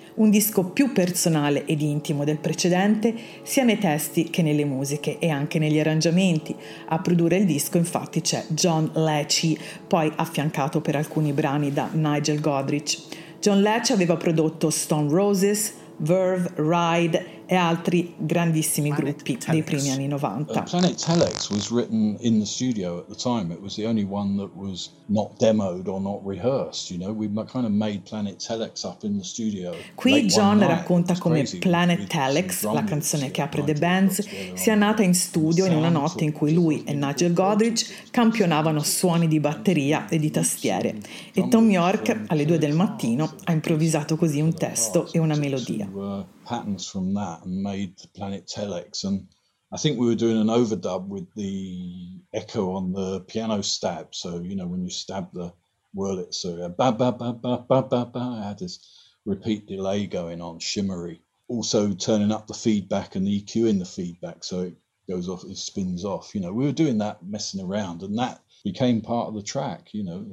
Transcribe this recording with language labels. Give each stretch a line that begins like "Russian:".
Italian: Un disco più personale ed intimo del precedente, sia nei testi che nelle musiche e anche negli arrangiamenti. A produrre il disco infatti c'è John Leche, poi affiancato per alcuni brani da Nigel Godrich. John Leche aveva prodotto Stone Roses, Verve, Ride e altri grandissimi
English: Planet
Italian: gruppi
English: Telex.
Italian: Dei primi anni 90.
English: Planet Telex was written in the studio at the time. It was the only one that was not demoed or not rehearsed, you know. We kind of made Planet Telex up in the studio.
Italian: Qui John racconta come Planet Telex, la canzone che apre The Bends, sia nata in studio in una notte in cui lui e Nigel Godrich campionavano suoni di batteria e di tastiere, e Tom York alle 2 del mattino ha improvvisato così un testo e una melodia.
English: Patterns from that and made the Planet Telex, and I think we were doing an overdub with the echo on the piano stab, so you know when you stab the Wurlitzer, ba ba ba ba ba ba ba, I had this repeat delay going on, shimmery, also turning up the feedback and the EQ in the feedback so it goes off, it spins off, you know, we were doing that, messing around, and that became part of the track, you know.